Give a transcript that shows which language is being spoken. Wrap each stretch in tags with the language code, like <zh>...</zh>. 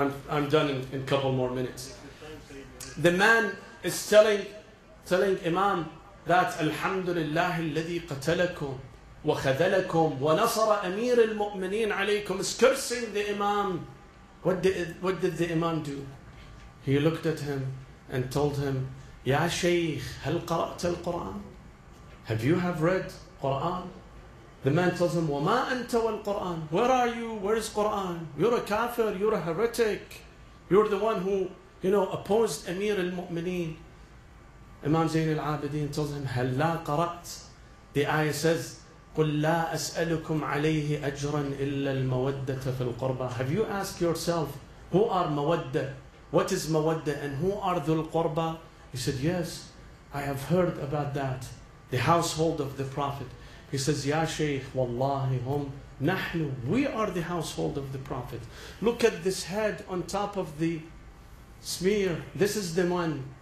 <en>I'm done in a couple more minutes. The man is telling Imam that</en> <ar>الحمد لله الذي قتلكم وَخَذَلَكُمْ وَنَصَرَ أَمِيرِ الْمُؤْمِنِينَ عَلَيْكُمْ.</ar> <en>It's cursing the Imam. What did the Imam do? He looked at him and told him,</en> <ar>يَا شَيْخ هَلْ قَرَأْتَ الْقُرْآنَ.</ar> <en>Have you read Quran? The man tells him,</en> <ar>وَمَا أَنْتَ وَالْقُرْآنِ.</ar> <en>Where are you? Where is Quran? You're a kafir, you're a heretic. You're the one who, you know, opposed Amir al-Mu'mineen. Imam Zain al-Abidin tells him,</en> <ar>هَلْ لَا قَرَأْتْ.</ar> <en>The ayah says,</en> <ar>قُلْ لَا أَسْأَلُكُمْ عَلَيْهِ أَجْرًا إِلَّا الْمَوَدَّةَ فِي الْقُرْبَى.</ar> <en>Have you asked yourself, who are mawadda? What is mawadda? And who are dhul qurba? He said, yes, I have heard about that. The household of the Prophet. He says,</en> <ar>Ya Shaykh, Wallahi hum nahnu.</ar> <en>We are the household of the Prophet. Look at this head on top of the smear. This is the man.</en>